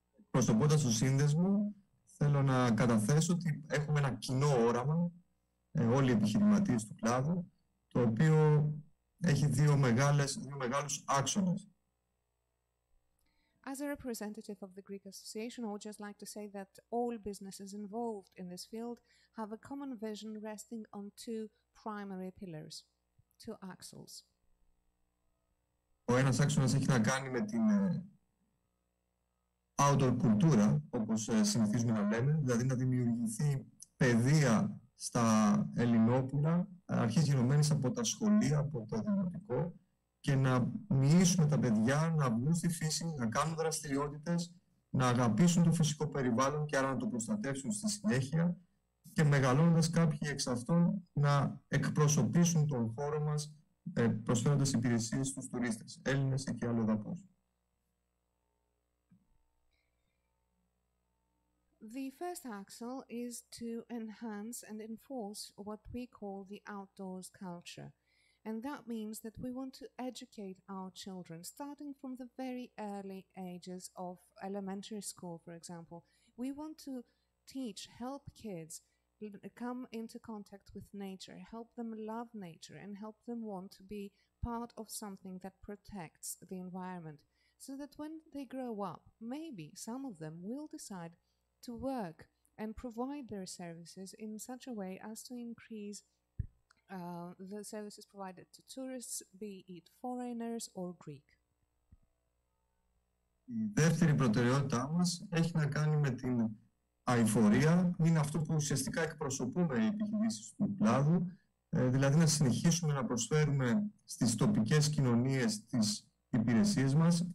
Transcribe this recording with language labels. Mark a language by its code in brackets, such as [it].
[el] Προσωπώντας το σύνδεσμο, θέλω να καταθέσω ότι έχουμε ένα κοινό όραμα, όλοι οι επιχειρηματίες του κλάδου, το οποίο έχει δύο μεγάλους άξονες. [en] As a representative of the Greek Association, I would just like to say that all businesses involved in this field have a common vision resting on two primary pillars, two axles. [el] Ο ένας άξονας έχει να κάνει με την outdoor κουλτούρα, όπως συνηθίζουμε να λέμε, δηλαδή να δημιουργηθεί παιδεία στα Ελληνόπουλα, αρχής γενομένης από τα σχολεία, από το δημοτικό, και να μοιήσουμε τα παιδιά να βγουν στη φύση, να κάνουν δραστηριότητες, να αγαπήσουν το φυσικό περιβάλλον και άρα να το προστατεύσουν στη συνέχεια και μεγαλώνοντας κάποιοι εξ αυτών να εκπροσωπήσουν τον χώρο μας προσφέροντας υπηρεσίες στους τουρίστες, Έλληνες και αλλοδαπούς. [en] The first axle is to enhance and enforce what we call the outdoors culture. And that means that we want to educate our children, starting from the very early ages of elementary school, for example. We want to teach, help kids come into contact with nature, help them love nature, and help them want to be part of something that protects the environment. So that when they grow up, maybe some of them will decide to work and provide their services in such a way as to increase the services provided to tourists, be it foreigners or Greek. [el] Η δεύτερη προτεραιότητά μας έχει να κάνει με την αειφορία, είναι αυτό που ουσιαστικά εκπροσωπούμε οι επιχειρήσεις του κλάδου, δηλαδή να συνεχίσουμε να προσφέρουμε στις τοπικές κοινωνίες τις υπηρεσίες μας.